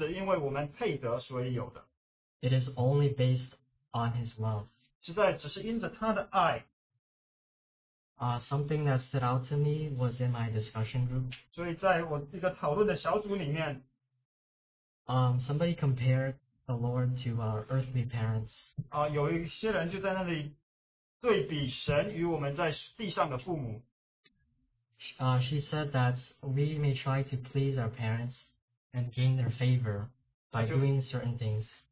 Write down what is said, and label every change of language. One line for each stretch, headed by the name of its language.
Chinese: 我也被提醒说，他与我们同在这件事，不是因着我们做什么，或者因为我们配得，所以有的.
English: It is only based on His love.
Chinese: 实在只是因着他的爱.
English: Something that stood out to me was in my discussion group.
Chinese: 所以在我一个讨论的小组里面,
English: somebody compared the Lord to our earthly parents.
Chinese: 有一些人就在那里对比神与我们在地上的父母.
English: She said that we may try to please our parents and gain their favor by doing certain things.